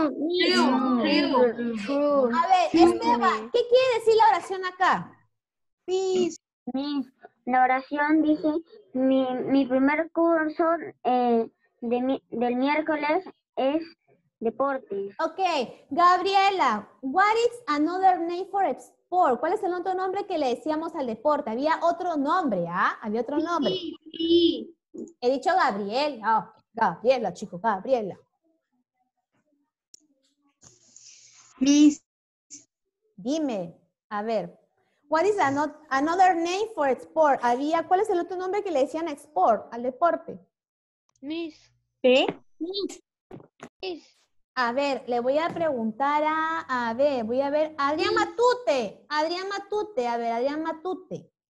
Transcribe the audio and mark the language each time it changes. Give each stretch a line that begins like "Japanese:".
English: True.
Spanish: A ver, Esteban, ¿qué quiere decir la oración acá? Miss, la oración dice, mi primer curso del miércoles es deportes.
English: Ok, Gabriela, what is another name for a sport?
Spanish: ¿Cuál es el otro nombre que le decíamos al deporte? Había otro nombre, ¿ah? Había otro nombre. Sí. He dicho Gabriela. Oh, Gabriela, chico, Gabriela.
English: Miss.
Spanish: Dime, a ver,
English: what is another name for sport?
Spanish: Había, ¿cuál es el otro nombre que le decían a sport, al deporte?
English: Miss.
Spanish: ¿Qué?
English: Miss.
Spanish: A ver, le voy a preguntar a ver, Adrián Matute. Adrián Matute, a ver, Adrián Matute.